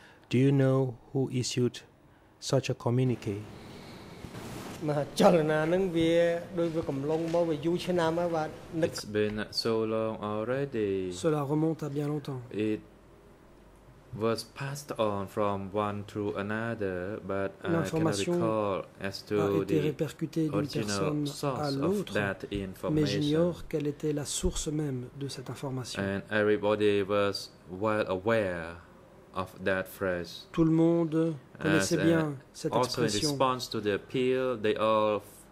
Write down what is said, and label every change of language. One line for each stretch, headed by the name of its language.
English: Do you know who issued such a communiqué? It's been so long already.
French: Cela remonte à bien longtemps.
English: It was passed on from one to another, but
French: l'information
English: I cannot recall as to
French: a été répercutée d'une personne à l'autre, mais j'ignore quelle était la source même de cette information.
English: And everybody was well aware of that phrase.
French: Tout le monde connaissait bien cette expression.
English: Also in response to the appeal, they all